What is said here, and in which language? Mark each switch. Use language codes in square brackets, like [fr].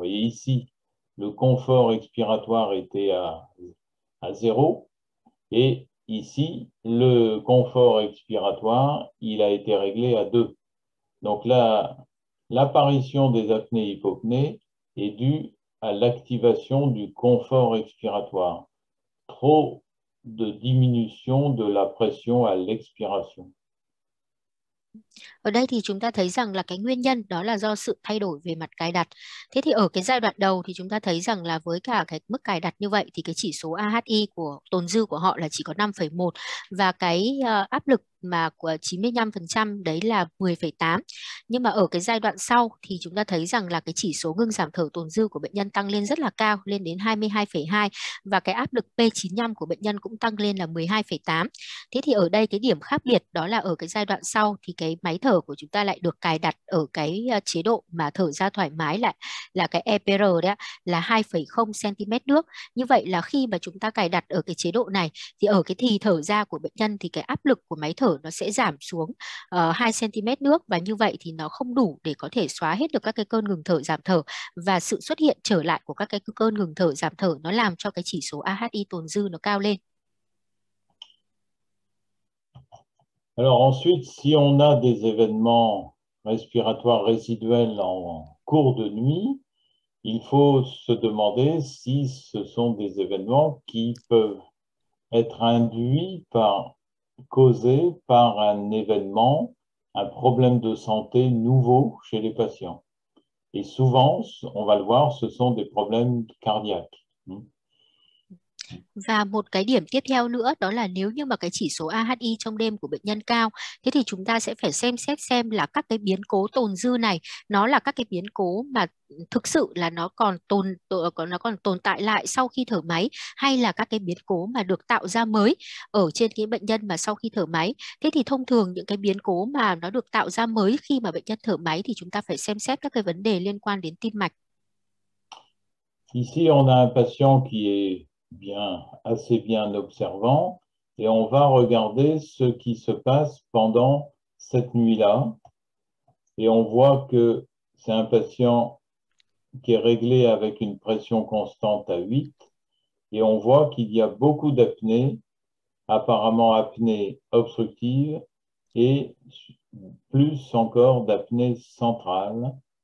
[fr] Vous voyez ici, le confort expiratoire était à zéro et ici, le confort expiratoire, il a été réglé à 2. Donc là, l'apparition des apnées hypopnées est due à l'activation du confort expiratoire, trop de diminution de la pression à l'expiration. [vi] Ở đây thì chúng ta thấy rằng là cái nguyên nhân đó là do sự thay đổi về mặt cài đặt. Thế thì ở cái giai đoạn đầu thì chúng ta thấy rằng là với cả cái mức cài đặt như vậy thì cái chỉ số AHI của tồn dư của họ là chỉ có 5,1 và cái áp lực mà của 95% đấy là 10,8. Nhưng mà ở cái giai đoạn sau thì chúng ta thấy rằng là cái chỉ số ngưng giảm thở tồn dư của bệnh nhân tăng lên rất là cao, lên đến 22,2 và cái áp lực P95 của bệnh nhân cũng tăng lên là 12,8. Thế thì ở đây cái điểm khác biệt đó là ở cái giai đoạn sau thì cái máy thở của chúng ta lại được cài đặt ở cái chế độ mà thở ra thoải mái lại là cái EPR đấy là 2,0 cm nước. Như vậy là khi mà chúng ta cài đặt ở cái chế độ này thì ở cái thì thở ra của bệnh nhân thì cái áp lực của máy thở nó sẽ giảm xuống 2 cm nước, và như vậy thì nó không đủ để có thể xóa hết được các cái cơn ngừng thở giảm thở, và sự xuất hiện trở lại của các cái cơn ngừng thở giảm thở nó làm cho cái chỉ số AHI tồn dư nó cao lên. [fr] Alors ensuite, si on a des événements respiratoires résiduels en cours de nuit, il faut se demander si ce sont des événements qui peuvent être induits par, causés par un événement, un problème de santé nouveau chez les patients. Et souvent, on va le voir, ce sont des problèmes cardiaques. [vi] Và một cái điểm tiếp theo nữa đó là nếu như mà cái chỉ số AHI trong đêm của bệnh nhân cao, thế thì chúng ta sẽ phải xem xét xem là các cái biến cố tồn dư này nó là các cái biến cố mà thực sự là nó còn tồn tại lại sau khi thở máy, hay là các cái biến cố mà được tạo ra mới ở trên cái bệnh nhân mà sau khi thở máy. Thế thì thông thường những cái biến cố mà nó được tạo ra mới khi mà bệnh nhân thở máy thì chúng ta phải xem xét các cái vấn đề liên quan đến tim mạch. [fr] Ici, on a un patient qui est bien, assez bien observant et on va regarder ce qui se passe pendant cette nuit-là. Et on voit que c'est un patient qui est réglé avec une pression constante à 8 et on voit qu'il y a beaucoup d'apnée, apparemment apnée obstructive et plus encore d'apnée centrale.